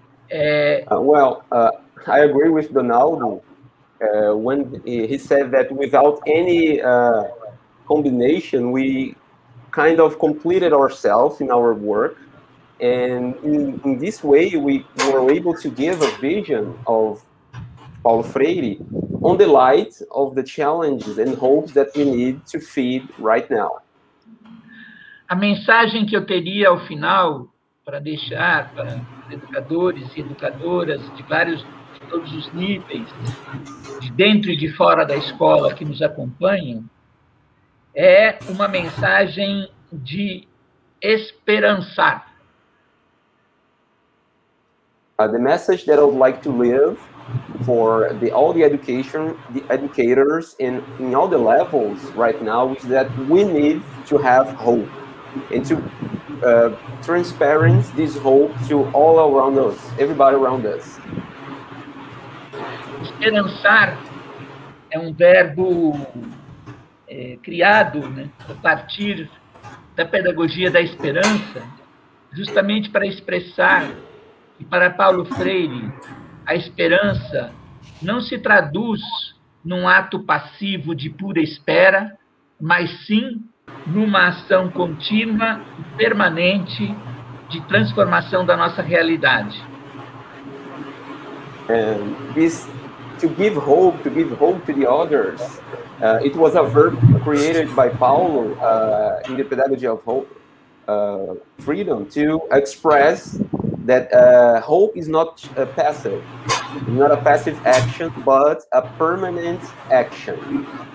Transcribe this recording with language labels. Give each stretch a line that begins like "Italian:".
English: I agree with Donaldo when he said that without any combination, we kind of completed ourselves in our work, and in this way we were able to give a vision of Paulo Freire on the light of the challenges and hopes that we need to feed right now.
Portuguese: A mensagem que eu teria ao final para deixar para educadores e educadoras de todos os níveis, de dentro e de fora da escola que nos acompanham, é uma mensagem de esperançar.
English: The message that I would like to leave for all the educators in all the levels right now is that we need to have hope and to transparent this hope to all around us, everybody around us.
Portuguese: Esperançar é um verbo criado, né, a partir da pedagogia da esperança, justamente para expressar que, para Paulo Freire, a esperança não se traduz num ato passivo de pura espera, mas sim numa ação contínua, permanente, de transformação da nossa realidade.
English: To give hope to the others, it was a verb created by Paulo in the pedagogy of hope, freedom, to express that hope is not a passive, not a passive action, but a permanent action.